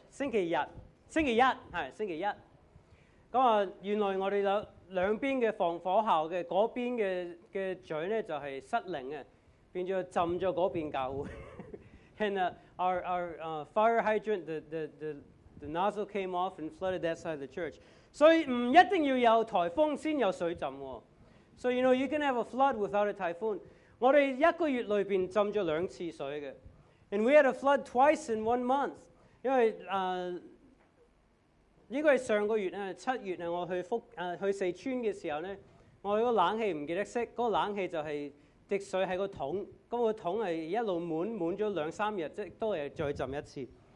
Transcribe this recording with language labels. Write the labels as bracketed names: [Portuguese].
[Cantonese] 星期日。咁啊，原來我哋有兩邊嘅防火壕嘅嗰邊嘅嘴咧就係失靈嘅，變咗浸咗嗰邊教會。 [English] And our fire hydrant, the nozzle came off and flooded that side of the church. [Cantonese] 所以唔一定要有颱風先有水浸喎。 [English] So you know you can have a flood without a typhoon. [Cantonese] 我哋一個月裏邊浸咗兩次水嘅。 [English] And we had a flood twice in 1 month. [Cantonese] 因為應該係上個月咧，七月我去四川嘅時候咧，我個冷氣唔記得熄，嗰個冷氣就係滴水喺個桶，嗰個桶係一路滿咗兩三日，即都係再浸一次。